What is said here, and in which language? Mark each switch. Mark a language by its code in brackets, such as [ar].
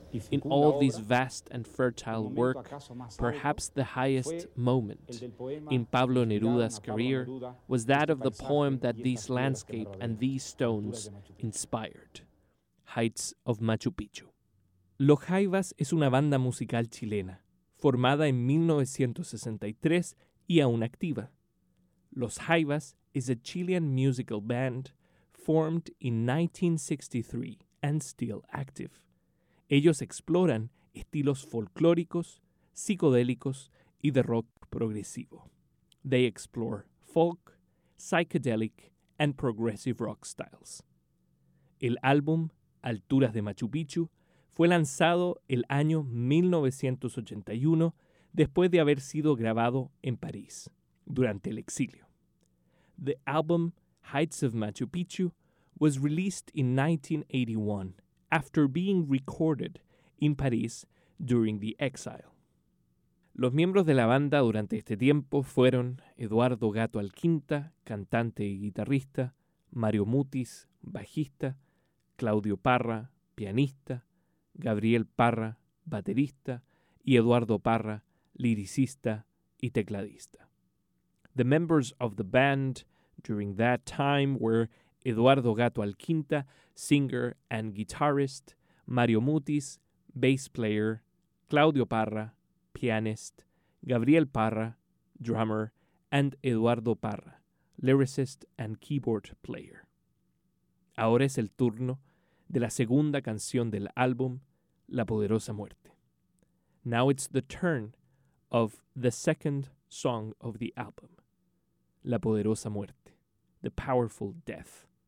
[en] In all this vast and fertile work, perhaps the highest moment in Pablo Neruda's career was that of the poem that these landscape and these stones inspired, Heights of Machu Picchu. [es] Los Jaivas es una banda musical chilena, formada en 1963 y aún activa. [en] Los Jaivas is a Chilean musical band formed in 1963 and still active. [es] Ellos exploran estilos folclóricos, psicodélicos y de rock progresivo. [en] They explore folk, psychedelic, and progressive rock styles. [es] El álbum Alturas de Machu Picchu fue lanzado el año 1981 después de haber sido grabado en París durante el exilio. [en] The album Heights of Machu Picchu was released in 1981. After being recorded in Paris during the exile. [es] Los miembros de la banda durante este tiempo fueron Eduardo Gato Alquinta, cantante y guitarrista, Mario Mutis, bajista, Claudio Parra, pianista, Gabriel Parra, baterista, y Eduardo Parra, liricista y tecladista. [en] The members of the band during that time were Eduardo Gato Alquinta, singer and guitarist, Mario Mutis, bass player, Claudio Parra, pianist, Gabriel Parra, drummer, and Eduardo Parra, lyricist and keyboard player. [es] Ahora es el turno de la segunda canción del álbum, La Poderosa Muerte. [en] Now it's the turn of the second song of the album, La Poderosa Muerte, The Powerful Death.